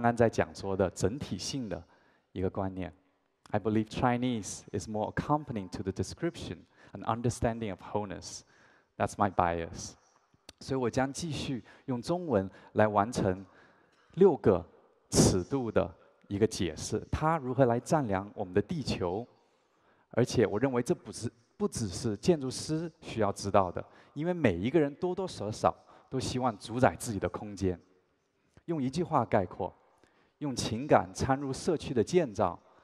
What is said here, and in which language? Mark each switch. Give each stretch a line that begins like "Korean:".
Chinese: 此刻，请大家转换您的语言接收模式，因为我相信中文其实是一个更好能来捕捉我所刚刚在讲座的整体性的一个观念。
English: I believe Chinese is more accompanying to the description and understanding of wholeness. That's my bias.
Chinese: 所以我将继续用中文来完成六个尺度的一个解释，它如何来丈量我们的地球，而且我认为这不只是建筑师需要知道的，因为每一个人多多少少都希望主宰自己的空间。用一句话概括，用情感掺入社区的建造。